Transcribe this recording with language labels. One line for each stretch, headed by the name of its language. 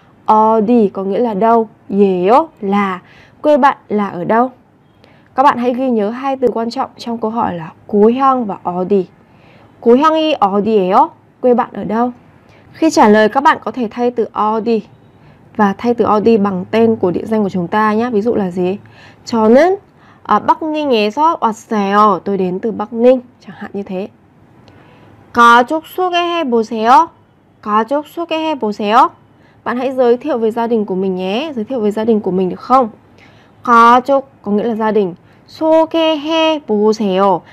Vietnamese: 어디 có nghĩa là đâu? 예요 là quê bạn là ở đâu? Các bạn hãy ghi nhớ hai từ quan trọng trong câu hỏi là 고향 và 어디.
Korean: 고향이 어디예요?
Vietnamese: Quê bạn ở đâu? Khi trả lời các bạn có thể thay từ 어디 và thay từ 어디 bằng tên của địa danh của chúng ta nhé. Ví dụ là gì?
Korean: 저는 Bắc Ninh에서 왔어요.
Vietnamese: Tôi đến từ Bắc Ninh, chẳng hạn như thế.
Korean: 가족 소개해 보세요. 가족 소개해 보세요.
Vietnamese: Bạn hãy giới thiệu với gia đình của mình nhé. Giới thiệu với gia đình của mình được không? 가족 có nghĩa là gia đình.
Korean: 소개해 보세요.